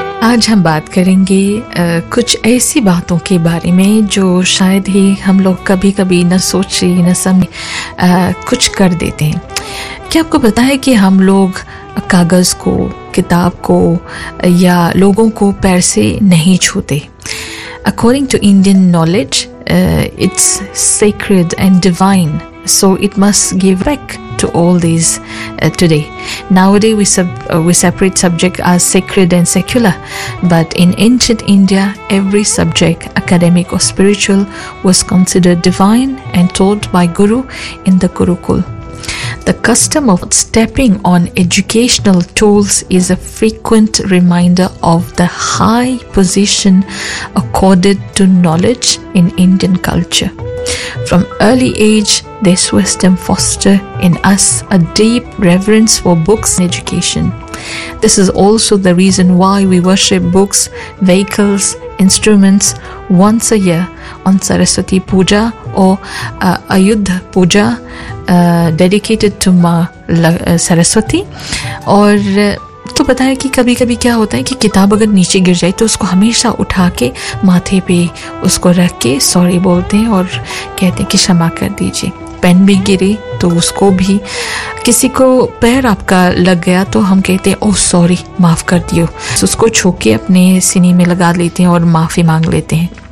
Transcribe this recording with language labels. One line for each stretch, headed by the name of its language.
Hindi: आज हम बात करेंगे कुछ ऐसी बातों के बारे में जो शायद ही हम लोग कभी कभी न सोचे न समझे कुछ कर देते हैं. क्या आपको पता है कि हम लोग कागज को, किताब को या लोगों को पैर से नहीं छूते.
English: According to Indian knowledge, it's sacred and divine, so it must give back to all these today. Nowadays, we separate subject as sacred and secular, but in ancient India, every subject, academic or spiritual, was considered divine and taught by Guru in the Gurukul. The custom of stepping on educational tools is a frequent reminder of the high position accorded to knowledge in Indian culture. From early age, this wisdom fosters in us a deep reverence for books and education. This is also the reason why we worship books, vehicles, instruments once a year on Saraswati Puja or Ayudh Puja, dedicated to Maa Saraswati.
Hindi: और तो बताया कि कभी कभी क्या होता है कि किताब अगर नीचे गिर जाए तो उसको हमेशा उठा के माथे पे उसको रख के सॉरी बोलते हैं और कहते हैं कि क्षमा कर दीजिए. पेन भी गिरे तो उसको भी, किसी को पैर आपका लग गया तो हम कहते हैं ओ सॉरी माफ़ कर दियो, तो उसको छोके अपने सीने में लगा लेते हैं और माफ़ी मांग लेते हैं.